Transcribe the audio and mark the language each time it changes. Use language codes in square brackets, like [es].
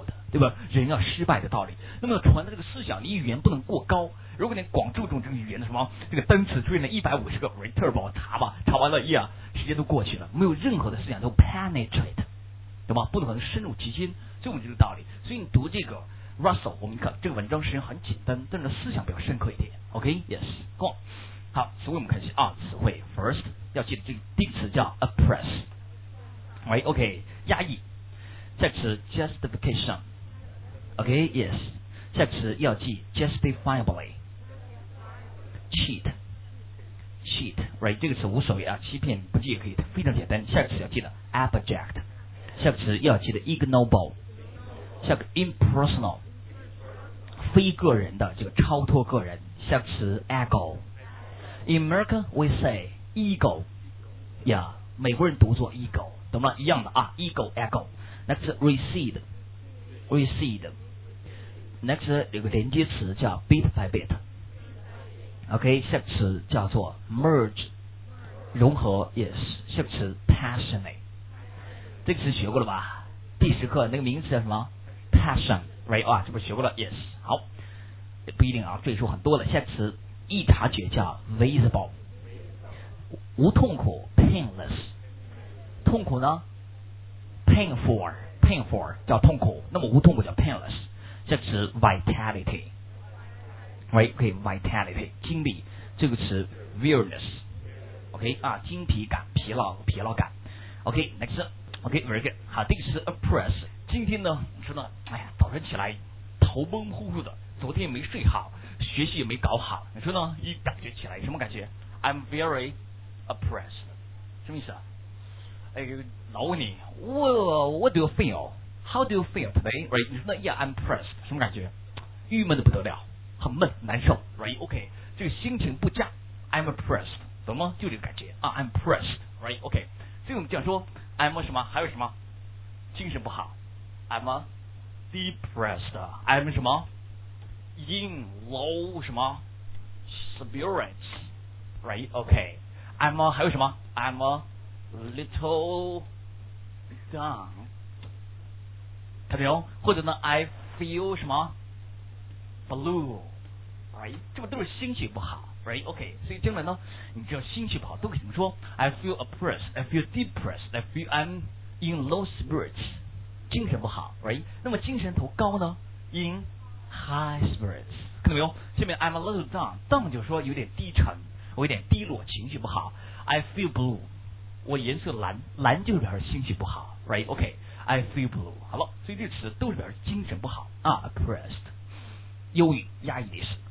[zh] 对吧，人要失败的道理，那么传的这个思想你语言不能过高，如果你光注重这个语言的什么这个单词出现了150个 writer 帮我查吧，查完了呀时间都过去了，没有任何的思想都 penetrate 对吧，不能深入其心，所以我们这个道理，所以你读这个Russell， 我们看这个文章实际上很简单，但是思想比较深刻一点。 [en] OK， yes， go on。 [zh] 好，词汇我们看一下啊，词汇 first 要记得这个定词叫 oppress， right？ OK， 压抑。下词 [en] justification， OK， yes。 [zh] 下词要记 [en] justifiably， cheat， right？ [zh] 这个词无所谓啊，欺骗不计也可以，非常简单。下词要记得 abject， 下词要记得 ignoble。 [en] 下个 impersonal [zh] 非个人的这个超脱个人， [en] 下个词 ego， in America we say ego， yeah， [zh] 美国人读作 [en] ego， [zh] 懂吗，一样的啊， [en] ego ego， next recede， recede， next [zh] 有个连接词叫 [en] bit by bit， [zh] ok， 下个词叫做 merge， 融合， yes， 下个词 passionate， 这个词学过了吧，第十课那个名词叫什么 [en] Passion, right? [zh] 啊，这不是学过了 ？Yes. 好，不一定啊，赘述很多了。下个词易察觉叫 visible， 无痛苦 painless， 痛苦呢 painful 叫痛苦，那么无痛苦叫 painless。 [en] 下个词 vitality， right? [zh] Okay, vitality 精力，这个词 weariness， OK 啊，精疲感、疲劳感。 [en] OK, next, OK, very good. [zh] 好，这个词 oppress。今天呢，真的，哎呀，早晨起来头蒙呼呼的，昨天也没睡好，学习也没搞好，你说呢？一感觉起来什么感觉 ？ [en] I'm very oppressed， [zh] 什么意思啊？哎，老问你 ， [en] What do you feel? How do you feel today? Right？ [zh] 你说呢 ？ [en] Yeah, I'm oppressed， [zh] 什么感觉？郁闷的不得了，很闷，难受。Right？ OK， 这个心情不佳 ， [en] I'm oppressed， [zh] 懂吗？就这个感觉啊 ， [en] I'm oppressed。 Right？ [zh] OK， 所以我们讲说 ，I'm 什么？还有什么？精神不好 ， [en] I'm depressed. I'm [zh] 什么 [en] ？In low 什么 spirits, right? Okay. I'm [zh] 还有什么 [en] ？I'm a little down. [zh] 看到没有？或者呢 [en] ？I feel 什么 ？Blue, right? [zh] 这不都是心情不好 ，right? [en] Okay. [zh] 所以将来呢，你只要心情不好，都可以怎么说 ？ [en] I feel oppressed. I feel depressed. I feel I'm in low spirits. [zh] 精神不好 right？那么精神头高呢 [en] in high spirits， [zh] 看到没有，下面 [en] I'm a little down， [zh] down 就是说有点低沉，我有点低落，情绪不好， [en] I feel blue， [zh] 我颜色蓝，蓝就是表示心情不好 right？ [en] OK， I feel blue， [zh] 好了，所以这词都是表示精神不好啊， oppressed， 忧郁压抑的意思。